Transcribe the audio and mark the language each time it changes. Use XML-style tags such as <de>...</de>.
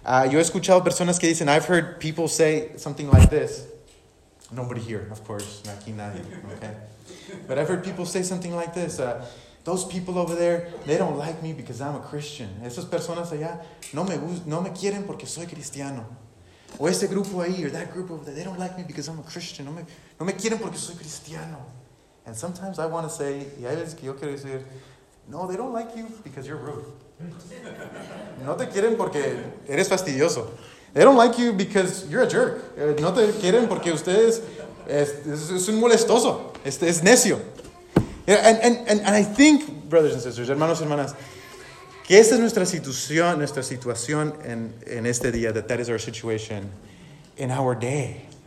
<es>Yo he escuchado personas que dicen,</es> <en>I've heard people say something like this. Nobody here, of course.</en> <es>Aquí nadie,</es> <en>okay? But I've heard people say something like this. Those people over there, they don't like me because I'm a Christian.</en> <es>Esas personas allá, no me quieren porque soy cristiano. O ese grupo ahí,</es> <en>or that group over there, they don't like me because I'm a Christian.</en> <es>No me quieren porque soy cristiano.</es> <en>And sometimes I want to say,</en> <es>y hay veces que yo quiero decir, no,</es> <en>they don't like you because you're rude.</en> <es>No te quieren porque eres fastidioso.</es> <en>They don't like you because you're a jerk.</en> <es>No te quieren porque ustedes es un molestoso. Es necio.</es> <en>Yeah, and I think, brothers and sisters,</en> <es>hermanos y hermanas, que esa es nuestra situación en este día,</es> <en>that is our situation in our day.</en>